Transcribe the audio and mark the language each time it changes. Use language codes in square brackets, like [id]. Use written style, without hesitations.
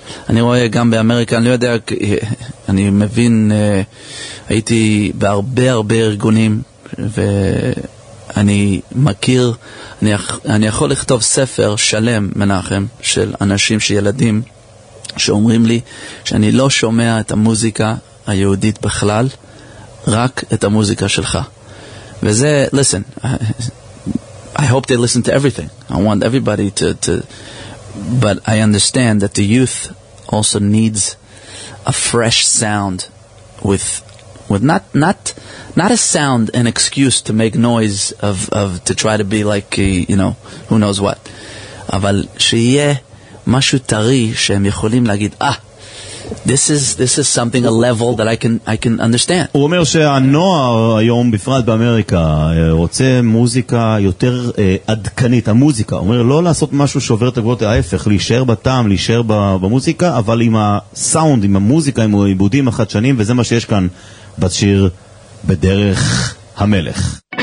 [he] אני רואה גם באמריקה, אני לא יודע, אני מבין, הייתי בהרבה הרבה ארגונים ואני מכיר, אני יכול לכתוב ספר שלם מנחם של אנשים שילדים שאומרים לי שאני לא שומע את המוזיקה היהודית בכלל, רק את המוזיקה שלך. וזה, [en] listen, I hope they listen to everything, I want everybody to but I understand that the youth also needs a fresh sound with not a sound, an excuse to make noise of to try to be like you know who knows what, [he] אבל שיהיה משהו טרי שהם יכולים להגיד, [en] ah, this is something, a level that I can understand. [he] הוא אומר שהנוער היום בפרט באמריקה רוצה מוזיקה יותר עדכנית, המוזיקה, הוא אומר לא לעשות משהו שעובר את הגבולות, ההפך, להישאר בטעם, להישאר במוזיקה, אבל עם הסאונד, עם המוזיקה, עם העיבודים החדשנים, וזה מה שיש כאן בשיר בדרך המלך.